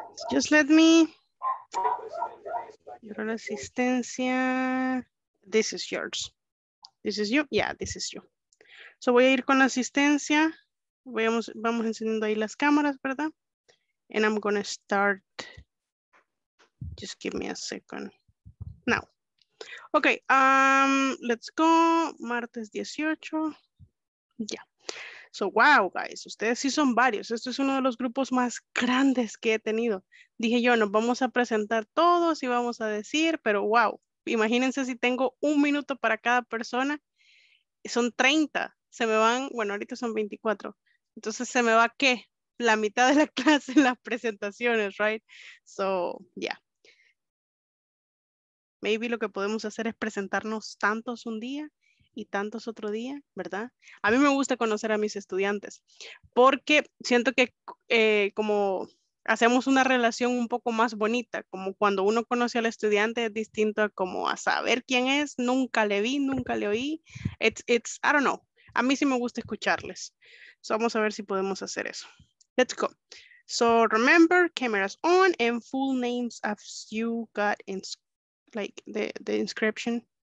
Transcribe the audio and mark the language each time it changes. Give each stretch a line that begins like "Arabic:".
English: Just let me, your asistencia, this is yours, this is you, yeah, this is you.
Spanish: So voy a ir con la asistencia, vamos encendiendo ahí las cámaras, ¿verdad?
English: And I'm gonna start, just give me a second, now. Okay, let's go, martes 18, yeah.
Spanish: So, wow, guys, ustedes sí son varios. Este es uno de los grupos más grandes que he tenido. Dije yo, nos vamos a presentar todos y vamos a decir, pero wow, imagínense si tengo un minuto para cada persona. Son 30, se me van, bueno, ahorita son 24. Entonces, ¿se me va qué? La mitad de la clase en las presentaciones, right? So, yeah. Maybe lo que podemos hacer es presentarnos tantos un día y tantos otro día, ¿verdad? A mí me gusta conocer a mis estudiantes porque siento que como hacemos una relación un poco más bonita, como cuando uno conoce al estudiante es distinto a como a saber quién es, nunca le vi, nunca le oí.
English: It's I don't know.
Spanish: A mí sí me gusta escucharles. So vamos a ver si podemos hacer eso.
English: Let's go. So remember, cameras on and full names as you got in like the inscription.